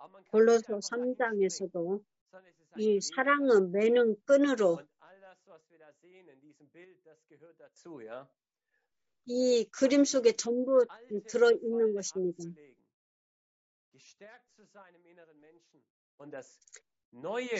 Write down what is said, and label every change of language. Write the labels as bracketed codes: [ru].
[ko] 골로새 3장에서도 이 사랑은 매는 끈으로 [de] sehen in diesem Bild, das gehört dazu, ja? [ko] 이 그림 속에 전부 들어 있는 것입니다. [de] Gestärkt zu seinem inneren Menschen und das neue